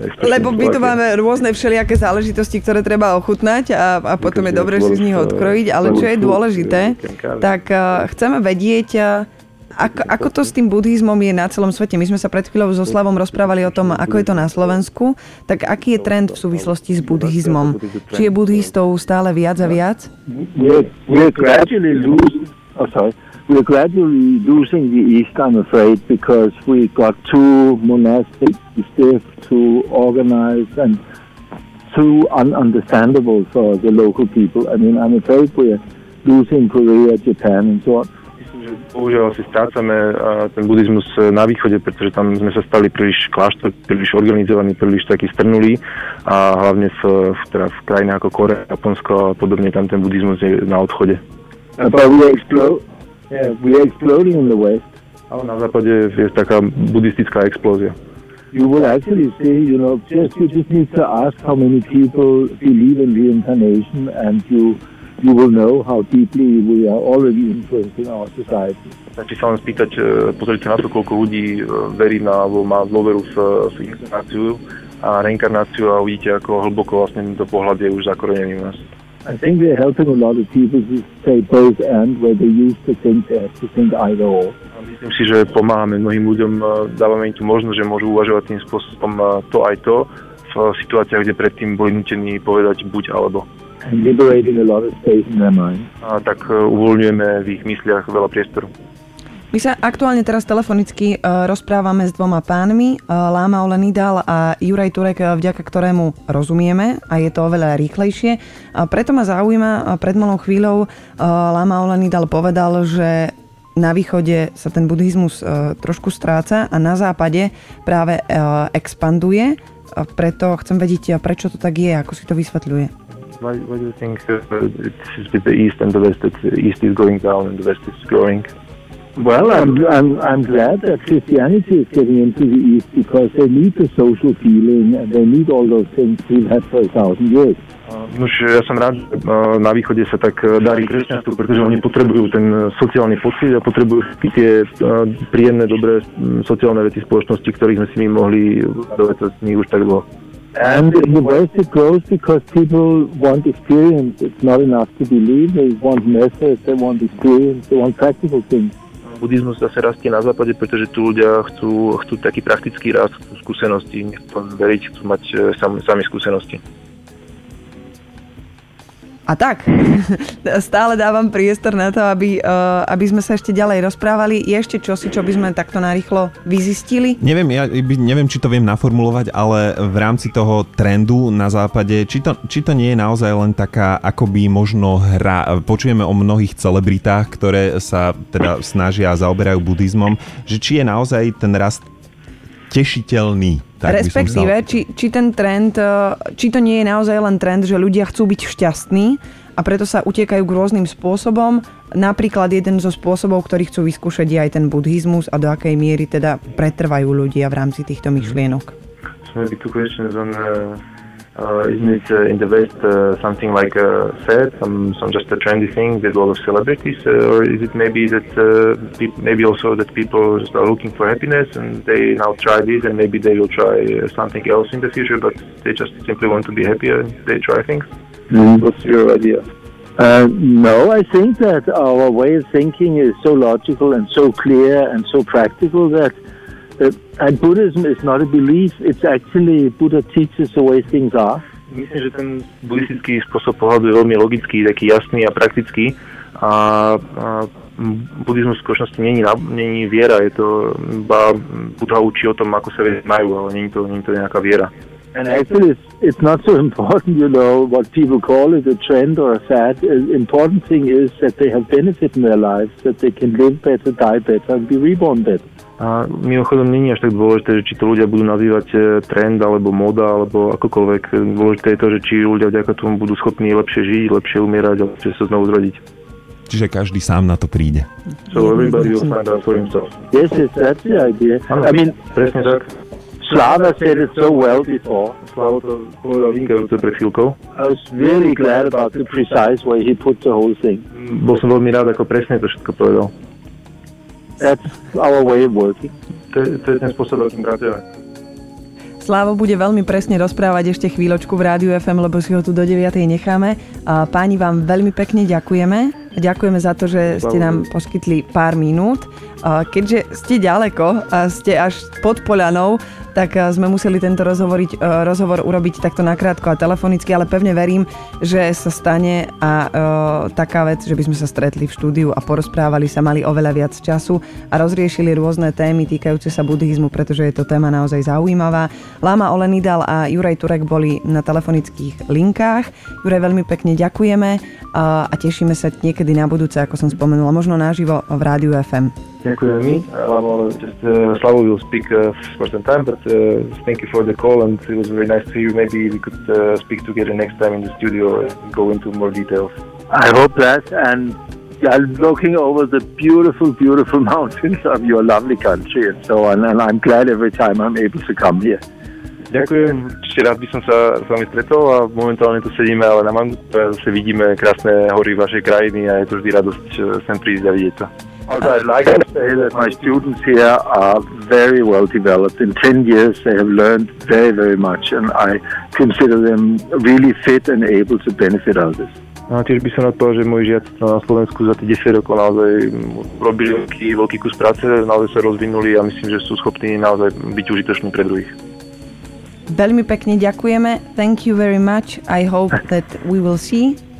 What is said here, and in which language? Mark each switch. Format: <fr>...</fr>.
<sk>Lebo my tu máme rôzne všelijaké záležitosti, ktoré treba ochutnať a potom je dobre si z nich odkrojiť. Ale čo je dôležité, tak chceme vedieť, ako to s tým buddhizmom je na celom svete. My sme sa pred chvíľou so Slavom rozprávali o tom, ako je to na Slovensku. Tak aký je trend v súvislosti s buddhizmom? Či je buddhistov stále viac a viac?</sk> <en>We're gradually losing the East, I'm afraid, because we got too monastic, stiff, too organized, and too ununderstandable for the local people. I mean, I'm afraid we're losing Korea, Japan, and so on.</en> <sk>Bohužiaľ si strácame ten buddhizmus na východe, pretože tam sme sa stali príliš kláštor, príliš organizovaní, príliš taký strnulý a hlavne v krajinách ako Korea, Japonsko a podobne, tam ten buddhizmus je na odchode.</sk> <en>We are exploding in the West.</en> <sk>Ale na západe je taká buddhistická explózia.</sk> <en>you will actually say, you know, just you just need to ask how many people believe in reincarnation, and you will know how deeply we are already influenced in our society.</en> <sk>Stačí sa len spýtať, pozrite na to, koľko ľudí verí na alebo má dôveru v inkarnáciu a reinkarnáciu, a uvidíte, ako hlboko vlastne tento pohľad je už zakorenený u nás.</sk> <en>I think we are helping a lot of people to say both and where they used to think to think either or.</en> <sk>Myslím si, že pomáhame mnohým ľuďom, dávame im tú možnosť, že môžu uvažovať tým spôsobom to aj to v situáciách, kde predtým boli nutení povedať buď alebo.</sk> <en>And liberating a lot of space in their mind.</en> <sk>A tak uvoľňujeme v ich mysliach veľa priestoru. My sa aktuálne teraz telefonicky rozprávame s dvoma pánmi, Lama Ole Nidal a Juraj Turek, vďaka ktorému rozumieme a je to oveľa rýchlejšie. Preto ma zaujíma, pred malou chvíľou Lama Ole Nidal povedal, že na východe sa ten buddhizmus trošku stráca a na západe práve expanduje. Preto chcem vedieť, prečo to tak je, ako si to vysvetľuje.</sk> <en>Why do you think it's with the east and the west, that the east is going down and the west is growing? Well, I'm glad that Christianity is getting into the East because they need the social feeling and they need all those things we've had for a thousand years.</en> <sk>Ja som rád, že na východe sa tak darí kresťanstvu, pretože oni potrebujú ten sociálny pocit a potrebujú tie príjemné, dobré sociálne veci spoločnosti, ktorých sme si my mohli dovedať z nich už tak dlho.</sk> <en>And in the West it grows because people want experience. It's not enough to believe. They want methods, they want experience, they want practical things.</en> <sk>Buddhizmus zase rastie na západe, pretože tu ľudia chcú taký praktický rast, chcú skúsenosti, nechcú veriť, chcú mať sami skúsenosti. A tak, stále dávam priestor na to, aby sme sa ešte ďalej rozprávali. Je ešte čosi, čo by sme takto narýchlo vyzistili? Neviem, ja neviem, či to viem naformulovať, ale v rámci toho trendu na západe, či to nie je naozaj len taká, akoby možno hra. Počujeme o mnohých celebritách, ktoré sa teda snažia a zaoberajú buddhizmom, že či je naozaj ten rast tešiteľný. Respektíve, či ten trend, či to nie je naozaj len trend, že ľudia chcú byť šťastní a preto sa utiekajú k rôznym spôsobom. Napríklad jeden zo spôsobov, ktorý chcú vyskúšať, je aj ten buddhizmus a do akej miery teda pretrvajú ľudia v rámci týchto myšlienok.</sk> <en>Maybe two questions on isn't it in the West something like a fad, some just a trendy thing with a lot of celebrities, or is it maybe that maybe also that people just are looking for happiness and they now try this and maybe they will try something else in the future, but they just simply want to be happier and they try things? Mm-hmm. What's your idea? No, I think that our way of thinking is so logical and so clear and so practical that and Buddhism is not a belief, it's actually Buddha teaches the way things are.</en> <sk>Myslím, že ten buddhistický spôsob pohľadu je veľmi logický, taký jasný a praktický. A buddhizmus v skutočnosti není viera, je to iba Buddha učí o tom, ako sa veci majú, ale není to nejaká viera.</sk> <en>And actually it's not so important, you know, what people call it, a trend or a fad. The important thing is that they have benefit in their lives, that they can live better, die better and be reborn better.</en> <sk>A mimochodom, nie je až tak dôležité, že či to ľudia budú nazývať trend, alebo moda, alebo akokoľvek. Dôležité je to, že či ľudia vďaka tomu budú schopní lepšie žiť, lepšie umierať a lepšie sa znovu zrodiť. Čiže každý sám na to príde.</sk> <en>So everybody will find out for himself. Yes, yes, that's the idea.</en> <sk>Ano,</sk> <en>I mean,</en> <sk>presne tak.</sk> <en>Slava said it so well before.</en> <sk>Slava to povedal vynikajúce pred chvíľkou.</sk> <en>I was really glad about the precise way he put the whole thing.</en> <sk>Bol som veľmi rád, ako presne to všetko povedal.</sk> <en>That's our way of working.</en> <sk>To je ten spôsob, akým pracujeme. Slávo bude veľmi presne rozprávať ešte chvíľočku v Rádiu FM, lebo si ho tu do 9. necháme. Páni, vám veľmi pekne ďakujeme. Ďakujeme za to, že ste nám poskytli pár minút. Keďže ste ďaleko a ste až pod Poľanou, tak sme museli tento rozhovor urobiť takto nakrátko a telefonicky, ale pevne verím, že sa stane a taká vec, že by sme sa stretli v štúdiu a porozprávali sa, mali oveľa viac času a rozriešili rôzne témy týkajúce sa buddhizmu, pretože je to téma naozaj zaujímavá. Lama Ole Nidal a Juraj Turek boli na telefonických linkách. Juraj, veľmi pekne ďakujeme a tešíme sa niekedy na budúce, ako som spomenula, možno naživo v Rádiu FM. Ďakujem mi.</sk> <en>Slavo will speak for some time, but thank you for the call and it was very nice to hear you. Maybe we could speak together next time in the studio and go into more details. I hope that and I'm looking over the beautiful, beautiful mountains of your lovely country and so on, and I'm glad every time I'm able to come here.</en> <sk>Ďakujem, ešte rád by som sa s vami stretol a momentálne tu sedíme, ale na Mangupe zase vidíme krásne hory vašej krajiny a je to vždy radosť sem prísť a vidieť to.</sk> <en>Also, I'd like to say that my students here are very well developed. In 10 years they have learned very, very much and I consider them really fit and able to benefit out of this.</en> <sk>A tiež by som odpovedal, že moji žiaci na Slovensku za tie 10 rokov naozaj robili veľký kus práce, naozaj sa rozvinuli a myslím, že sú schopní naozaj byť užitoční pre druhých. Veľmi pekne ďakujeme.</sk> <en>Thank you very much. I hope that we will see.</en>